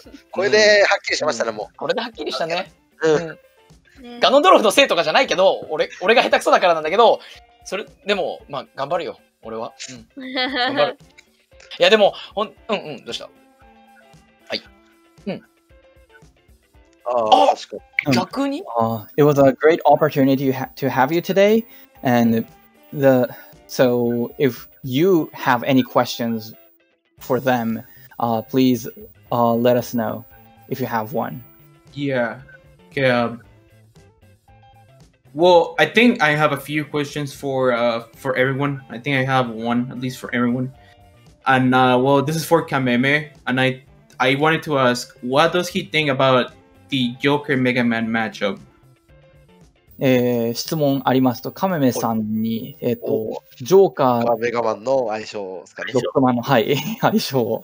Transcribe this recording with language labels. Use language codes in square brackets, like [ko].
[ja] これではっきりしましたね、もう。これではっきりしたね。うん。ガノンドロフのせいとかじゃないけど、俺が下手くそだからなんだけど、それ、でも、まあ、頑張るよ、俺は。うん。頑張る。いや、でも、うんうん、どうした？はい。うん。 [en] It was a great opportunity to have you today, and so if you have any questions for them, please let us know if you have one. Yeah. Okay. Well, I think I have a few questions for everyone. I think I have one at least for everyone. And well, this is for Kameme, and I wanted to ask, what does he think about? The Joker Mega Man matchup. [ja] 質問ありますと、カメメさんに、ジョーカー、メガマンの相性ですかね。ジョーカーマンの、はい、相性。